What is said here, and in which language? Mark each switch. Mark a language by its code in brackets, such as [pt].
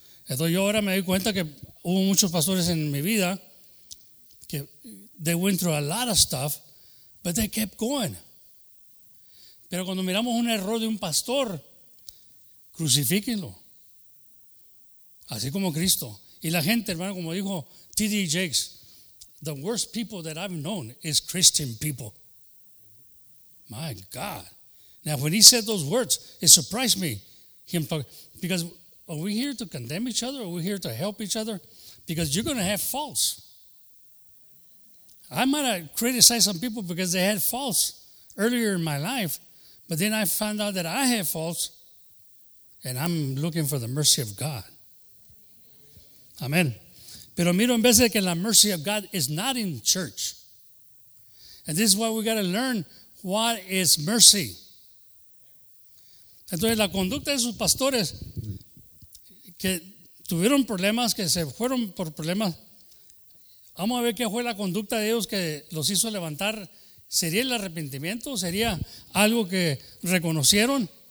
[es] Entonces yo ahora me doy cuenta que hubo muchos pastores en mi vida que [en] they went through a lot of stuff, but they kept going. [es] Pero cuando miramos un error de un pastor, crucifíquenlo. Así como Cristo. Y la gente, hermano, como dijo T.D. [en] Jakes, the worst people that I've known is Christian people. My God. Now, when he said those words, it surprised me. Him talking. Because are we here to condemn each other? Or are we here to help each other? Because you're going to have faults. I might have criticized some people because they had faults earlier in my life. But then I found out that I have faults. And I'm looking for the mercy of God. Amen. [es] Pero miro en vez de que la [en] mercy of God is not in church. And this is why we got to learn what is mercy. [es] Entonces la conducta de esos pastores que tuvieron problemas, que se fueron por problemas, vamos a ver qué fue la conducta de ellos que los hizo levantar. ¿Sería el arrepentimiento? ¿Sería algo que reconocieron?